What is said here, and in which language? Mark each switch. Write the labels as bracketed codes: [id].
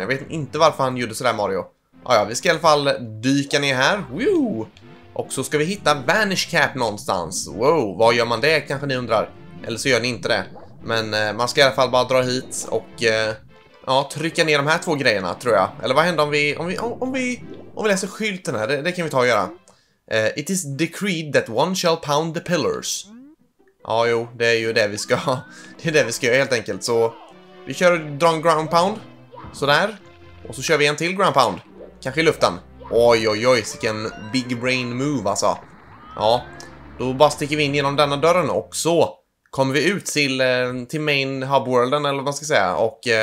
[sv] Jag vet inte varför han gjorde sådär, Mario. Ja, vi ska i alla fall dyka ner här. Woo! Och så ska vi hitta Vanish Cap någonstans. Wow, vad gör man det, kanske ni undrar. Eller så gör ni inte det. Men man ska i alla fall bara dra hit och... ja, trycka ner de här två grejerna, tror jag. Eller vad händer om vi läser skylten här? Det kan vi ta och göra. [en] It is decreed that one shall pound the pillars. [sv] Ja, jo, det är ju det vi ska. Det är det vi ska göra helt enkelt. Så vi kör drang ground pound. Sådär. Och så kör vi en till ground pound. Kanske i luften. Oj, oj, oj. Vilken [en] big brain move, [sv] alltså. Ja, då bara sticker vi in genom denna dörren. Och så kommer vi ut till main hubworlden, eller vad man ska säga. Och...